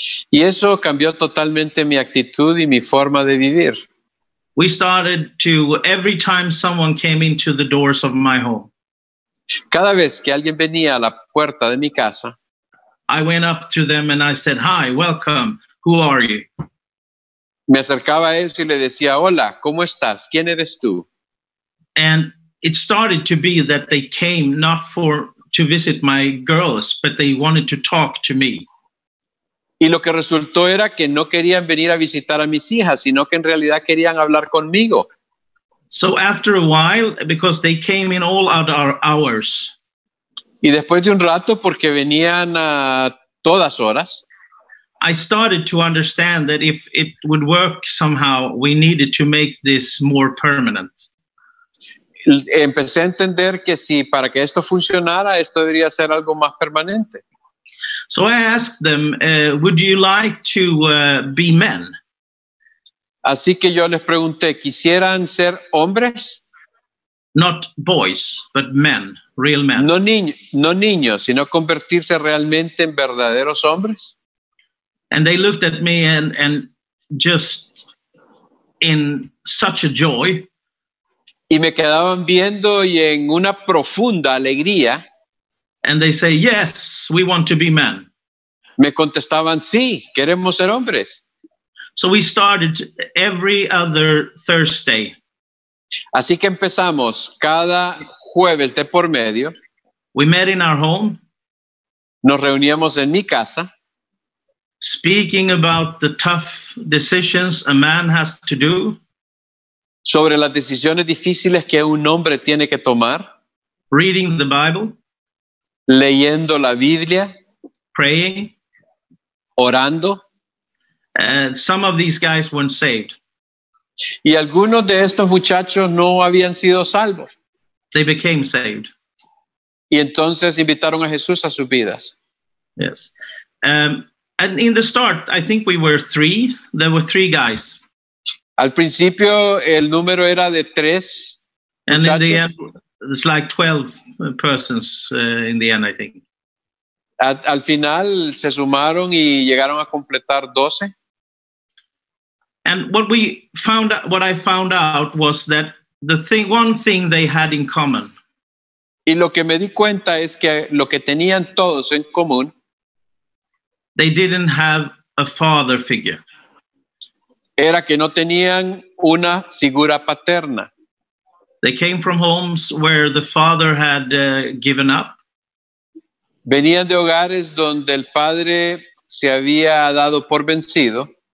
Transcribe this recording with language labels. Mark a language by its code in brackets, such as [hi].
[es] Y eso cambió totalmente mi actitud y mi forma de vivir. [en] We started to, every time someone came into the doors of my home. [es] Cada vez que alguien venía a la puerta de mi casa, [en] I went up to them and I said, hi, welcome, who are you? [es] Me acercaba a ellos y le decía, hola, ¿cómo estás? ¿Quién eres tú? [en] And it started to be that they came not for to visit my girls, but they wanted to talk to me. [es] Y lo que resultó era que no querían venir a visitar a mis hijas, sino que en realidad querían hablar conmigo. [en] So after a while, because they came in all out our hours. [es] Y después de un rato, porque venían a todas horas. [en] I started to understand that if it would work somehow, we needed to make this more permanent. [es] Empecé a entender que si para que esto funcionara, esto debería ser algo más permanente. [en] So I asked them, would you like to be men? [es] Así que yo les pregunté, ¿quisieran ser hombres? [en] Not boys, but men, real men. [es] No niños, sino convertirse realmente en verdaderos hombres. [en] And they looked at me and just in such a joy. [es] Y me quedaban viendo y en una profunda alegría. [en] And they say, yes, we want to be men. [es] Me contestaban, sí, queremos ser hombres. [en] So we started every other Thursday. [es] Así que empezamos cada jueves de por medio. [en] We met in our home. [es] Nos reuníamos en mi casa. [en] Speaking about the tough decisions a man has to do. [es] Sobre las decisiones difíciles que un hombre tiene que tomar. [en] Reading the Bible. [es] Leyendo la Biblia. [en] Praying. [es] Orando. [en] Some of these guys weren't saved. [es] Y algunos de estos muchachos no habían sido salvos. [en] They became saved. [es] Y entonces invitaron a Jesús a sus vidas. [en] Yes. And in the start, I think we were three. There were three guys. [es] Al principio, el número era de tres [en] and [es] muchachos. [en] In the end, it's like 12 persons in the end, I think. [es] Al final, se sumaron y llegaron a completar 12. [en] And what I found out was that one thing they had in common. [es] Y lo que me di cuenta es que lo que tenían todos en común. [en] They didn't have a father figure. [es] Era que no tenían una figura paterna. [en] They came from homes where the father had given up. [es] Venían de hogares donde el padre se había dado por vencido.